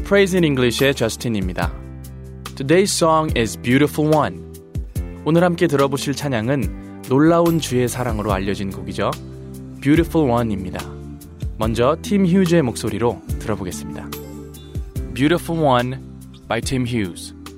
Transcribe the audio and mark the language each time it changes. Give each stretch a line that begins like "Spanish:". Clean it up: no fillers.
English: Praise in English의
Korean: Justin입니다.
English: Today's song is Beautiful One.
Korean: 오늘 함께 들어보실 찬양은 놀라운 주의 사랑으로 알려진 곡이죠. Beautiful One입니다. 먼저 팀 휴즈의 목소리로 들어보겠습니다.
English: Beautiful One by Tim Hughes.